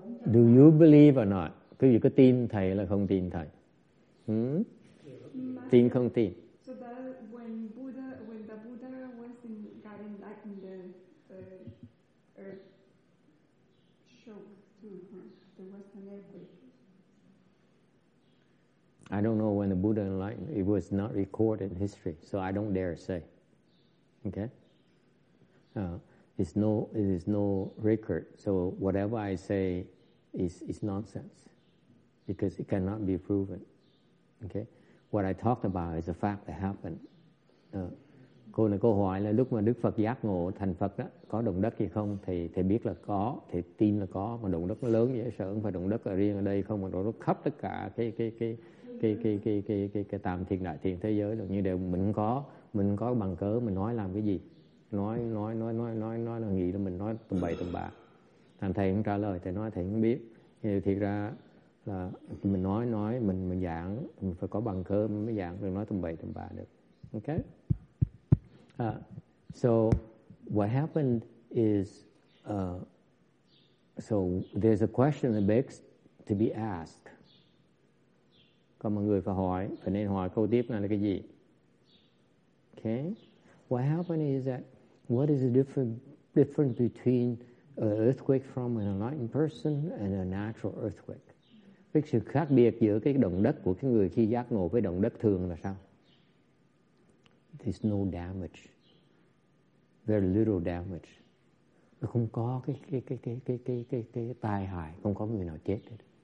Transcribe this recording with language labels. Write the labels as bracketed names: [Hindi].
[English] Do you believe or not? [Vietnamese] Quý vị có tin thầy là không tin thầy? Tin không tin? [English] So that when the Buddha was in, got enlightened, the earth shook. the Western Airport. I don't know when the Buddha enlightened. It was not recorded in history, so I don't dare say. Okay? It is no record. So whatever I say is nonsense because it cannot be proven. Okay? What I talked about is a fact that happened. [Vietnamese] Cô này cô hỏi là lúc mà Đức Phật giác ngộ thành Phật đó, có động đất gì không? Thầy biết là có, thầy tin là có, mà động đất nó lớn dễ sợ, không phải động đất ở riêng ở đây không, mà động đất khắp tất cả cái tam thiên đại thiên thế giới được, như đều mình có bằng cớ mình nói làm cái gì, nói là nghĩ là mình nói tầm bậy tầm bạ. Thằng thầy không trả lời, thầy nói thầy không biết. Thì ra là mình nói mình giảng mình phải có bằng cớ mình mới giảng, đừng nói tầm bậy tầm bạ được. [English] Okay, so what happened is so there's a question that begs to be asked. [Vietnamese] Có mọi người phải nên hỏi câu tiếp này là cái gì? [English] Okay, what happened is that what is the difference between an earthquake from an enlightened person and a natural earthquake? [Vietnamese] Cái sự khác biệt giữa cái động đất của cái người khi giác ngộ với động đất thường là sao? [English] There's no damage, very little damage. [Vietnamese] Nó không có cái tai hại, không có người nào chết hết.